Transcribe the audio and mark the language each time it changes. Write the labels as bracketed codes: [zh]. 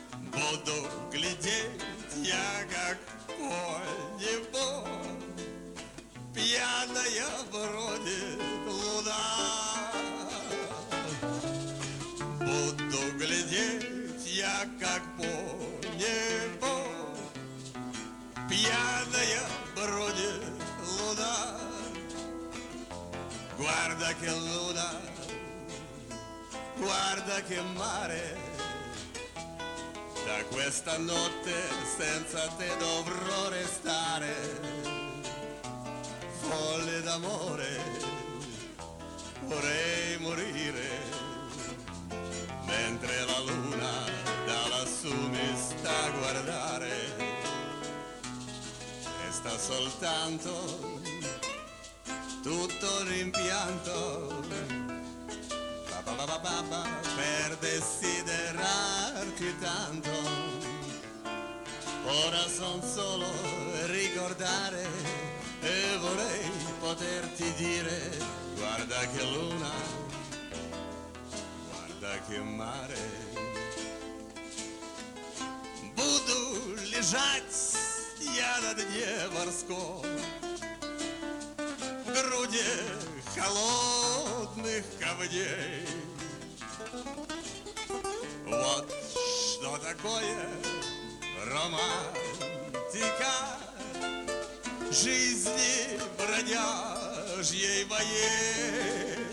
[ru] Буду глядеть я какой-нибудь, пьяная вроде луна. Буду глядеть я какой-нибудь, пьяная вроде луна. [it] Guarda che luna, guarda che mare, da questa notte senza te dovrò restare, folle d'amore, vorrei morire, mentre la luna da lassù mi sta a guardare, e sta soltanto tutto rimpianto, per desiderarti tanto. Ora son solo ricordare e vorrei poterti dire: guarda che luna, guarda che mare. [ru] Буду лежать я на дне морском, в груди холодных камней. Вот что такое романтика жизни бродяжьей моей.